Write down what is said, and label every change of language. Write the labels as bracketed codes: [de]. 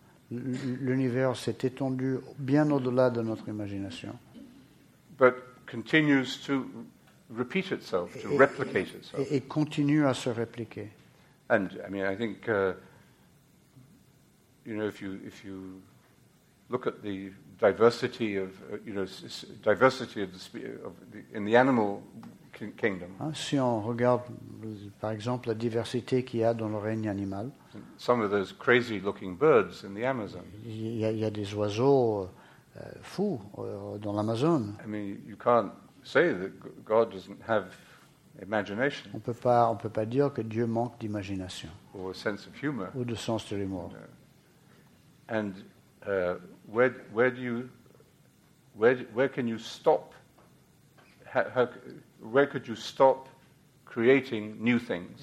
[fr] L'univers s'est étendu bien au-delà de notre imagination. [en] But continues to repeat itself, to replicate itself. [fr] Et continue à se répliquer. [en] And I mean, I think you know, if you look at the diversity of you know diversity of the in the animal kingdom. [fr] Si on regarde par exemple la diversité qu'il y a dans le règne animal. [en] Some of those crazy looking birds in the Amazon. [fr] Il y a des oiseaux fous dans l'Amazon. [en] I mean, you can't say that God doesn't have imagination. [fr] On peut pas dire que Dieu manque d'imagination. [en] Or a sense of humor. [fr] Ou de sens de l'humour. No. [en] And where could you stop creating new things?